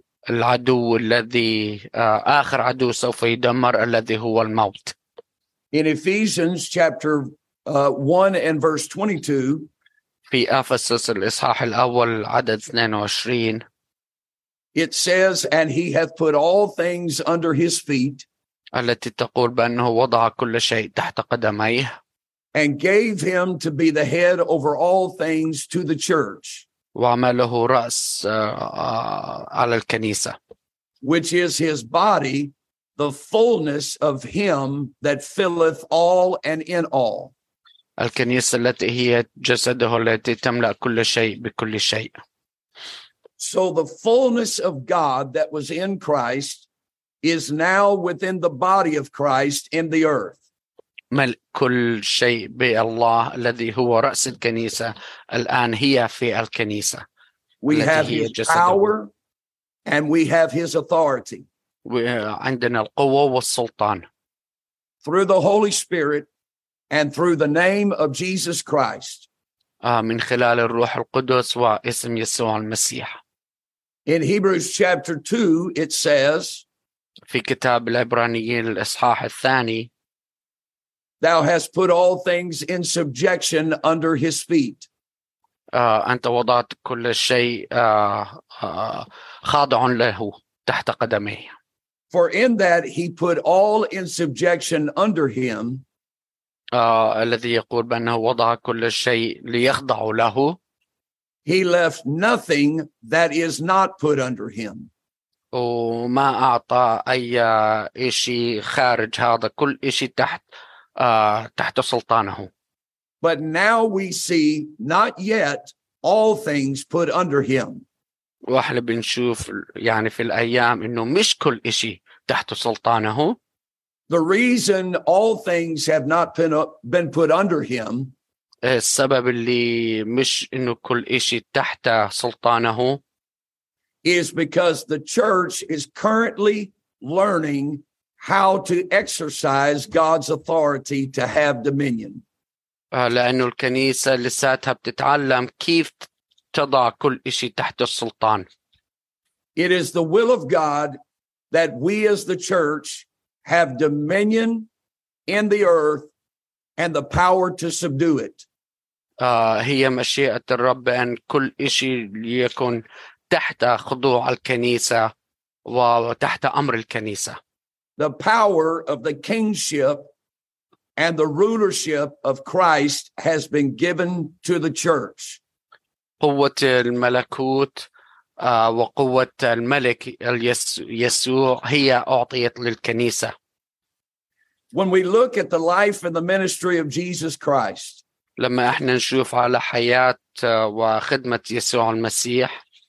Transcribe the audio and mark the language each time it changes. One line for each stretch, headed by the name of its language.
Arabic: العدو الذي آخر عدو سوف يدمر الذي هو الموت.
English: In Ephesians chapter 1 and verse 22,
Arabic: في أفسس الإصحاح الأول عدد 22,
English: it says, and he hath put all things under his feet,
Arabic: التي تقول بأنه وضع كل شيء تحت قدميه,
English: and gave him to be the head over all things to the church,
Arabic: وعمله رأس على الكنيسة,
English: which is his body, the fullness of him that filleth all and in all.
Arabic: الكنيسة التي هي جسده التي تملأ كل شيء بكل شيء.
English: So the fullness of God that was in Christ is now within the body of Christ in the earth.
Arabic: ملء كل شيء بالله الذي هو رأس الكنيسة الآن هي في الكنيسة.
English: We have his power and we have his authority.
Arabic: عندنا القوة والسلطان.
English: Through the Holy Spirit and through the name of Jesus Christ.
Arabic: من خلال الروح القدس واسم يسوع المسيح.
English: In Hebrews chapter 2, it says,
Arabic: في كتاب العبرانيين الإصحاح الثاني,
English: Thou hast put all things in subjection under his feet.
Arabic: أنت وضعت كل شيء خاضع له تحت قدميه.
English: For in that he put all in subjection under him,
Arabic: الذي يقول بأنه وضع كل شيء ليخضع له,
English: He left nothing that is not put under him.
Arabic: وما أعطى أي إشي خارج هذا، كل إشي تحت تحت سلطانه.
English: But now we see not yet all things put under him.
Arabic: واحنا بنشوف يعني في الأيام إنه مش كل إشي تحت سلطانه.
English: The reason all things have not been put under him.
Arabic: السبب اللي مش إنه كل إشي تحت سلطانه.
English: Is because the church is currently learning how to exercise God's authority to have dominion.
Arabic: لأن الكنيسة لساتها بتتعلم كيف تضع كل إشي تحت السلطان.
English: It is the will of God that we as the church have dominion in the earth and the power to subdue it.
Arabic: هي مشيئة الرب أن كل إشي يكون تحت خضوع الكنيسة وتحت أمر الكنيسة.
English: The power of the kingship and the rulership of Christ has been given to the church.
Arabic: قوة الملكوت وقوة الملك يسوع هي أعطيت للكنيسة.
English: When we look at the life and the ministry of Jesus Christ,
Arabic: لما احنا نشوف على حياة وخدمة يسوع المسيح,